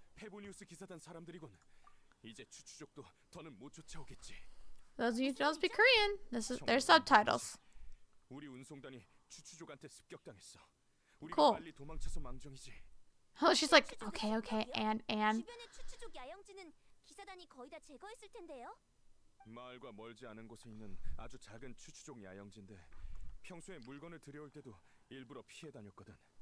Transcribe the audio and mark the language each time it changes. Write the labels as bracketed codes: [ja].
[ko] 페보니우스 기사단 사람들이군. 이제 추추족도 더는 못 쫓아오겠지. [en] Those of you who don't speak Korean, this is their subtitles. [ko] 우리 운송단이 추추족한테 습격당했어. 우리가 빨리 도망쳐서 망정이지. [en] Oh, she's like, okay, okay, and. [ko] 주변의 추추족 야영지는 기사단이 거의 다 제거했을 텐데요. 마을과 멀지 않은 곳에 있는 아주 작은 추추족 야영지인데 평소에 물건을 들여올 때도 일부러 피해 다녔거든.